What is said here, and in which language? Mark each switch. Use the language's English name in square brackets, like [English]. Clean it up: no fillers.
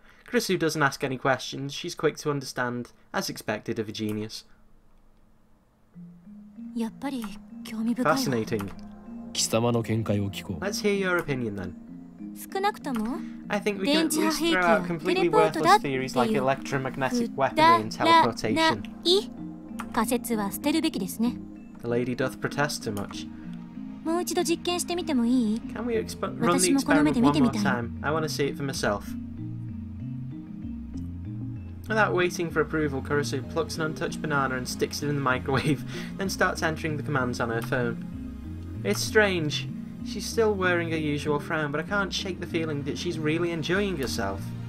[English] Kurisu doesn't ask any questions. She's quick to understand, as expected of a genius. [Japanese] やっぱり興味深い。 [English] Fascinating. [Japanese] 貴様の見解を聞こう。 [English] Let's hear your opinion then. [Japanese] 少なくとも、 [English] I think we can at least throw out completely worthless theories like electromagnetic weaponry and teleportation. [Japanese] ない仮説は捨てるべきですね。 [English] The lady doth protest too much. [Japanese] もう一度実験してみてもいい？ [English] Can we run the experiment one more time? I want to see it for myself. Without waiting for approval, Kurusu plucks an untouched banana and sticks it in the microwave, then starts entering the commands on her phone. It's strange. She's still wearing her usual frown, but I can't shake the feeling that she's really enjoying herself.